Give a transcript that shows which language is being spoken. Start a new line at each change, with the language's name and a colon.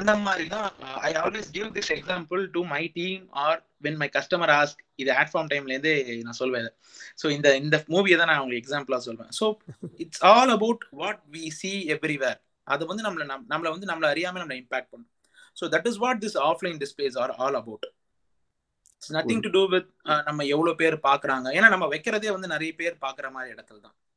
Tamil: அந்த மாதிரிதான்
English: I always give this example to my team or when my customer ask.
Tamil: இது ஆட்ஃபார்ம் டைம்ல இருந்தே நான் சொல்வேன். ஸோ இந்த இந்த மூவியை தான் நான் உங்களுக்கு எக்ஸாம்பிளா சொல்வேன்.
English: So it's all about what we see everywhere.
Tamil: அதை வந்து நம்மள அறியாம நம்மளை இம்பாக்ட் பண்ணும்.
English: So that is what this offline displays are all about. It's nothing to do with
Tamil: நம்ம எவ்வளவு பேர் பாக்குறாங்க. ஏனா நம்ம வைக்கிறதே வந்து நிறைய பேர் பாக்குற மாதிரி இடத்துல தான்.